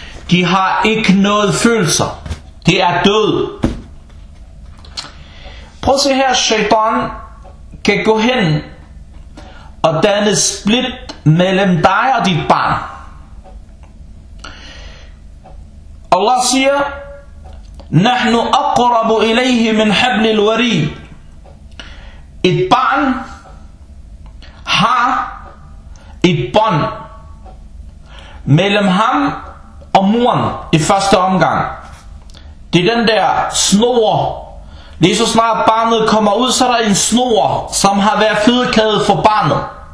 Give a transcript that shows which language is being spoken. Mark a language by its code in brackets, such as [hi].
[da] De har ikke noget følelser. De er døde. Prøv at se her, shaitan kan gå hen og danne split mellem dig og dit barn. Allah siger, [ar] نحن أقرب إليه من حبل الوريد. [da] Et barn har et bånd mellem ham og moren i første omgang. Det er den der snor. Lige så snart barnet kommer ud, så er der en snor, som har været fedekædet for barnet.